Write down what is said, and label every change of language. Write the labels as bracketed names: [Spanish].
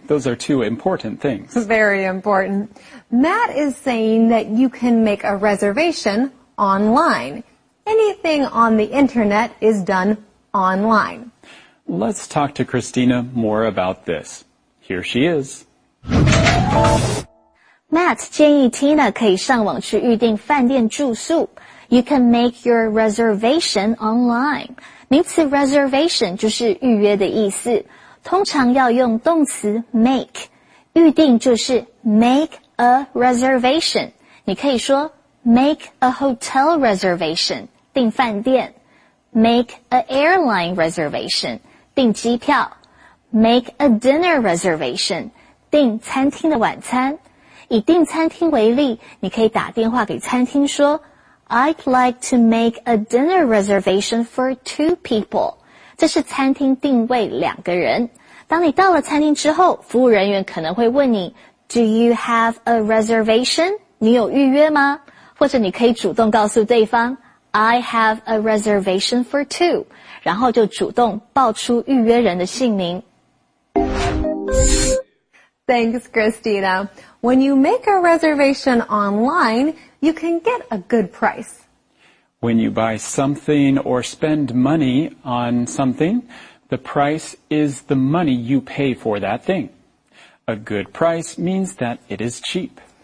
[English] Those are two important things. Very important. Matt is saying that you can make a reservation online. Anything on the internet is done online. Let's talk to Christina more about this. Here she is. [Chinese] Matt 建议 Tina 可以上网去预订饭店住宿。 [English] You can make your reservation online. [Chinese] 名词 reservation 就是预约的意思。通常要用动词 make. 预订就是 [English] make a reservation. [Chinese] 你可以说 [English] make a hotel reservation, [Chinese] 订饭店。 [English] Make a airline reservation, [Chinese] 订机票。 [English] Make a dinner reservation, [Chinese] 订餐厅的晚餐。以订餐厅为例，你可以打电话给餐厅说 [English] I'd like to make a dinner reservation for 2 people. [Chinese] 这是餐厅定位两个人。当你到了餐厅之后，服务人员可能会问你 [English] Do you have a reservation? [Chinese] 你有预约吗？或者你可以主动告诉对方 [English] I have a reservation for 2. [Chinese] 然后就主动报出预约人的姓名。 [English] Thanks, Christina. When you make a reservation online, you can get a good price. When you buy something or spend money on something, the price is the money you pay for that thing. A good price means that it is cheap.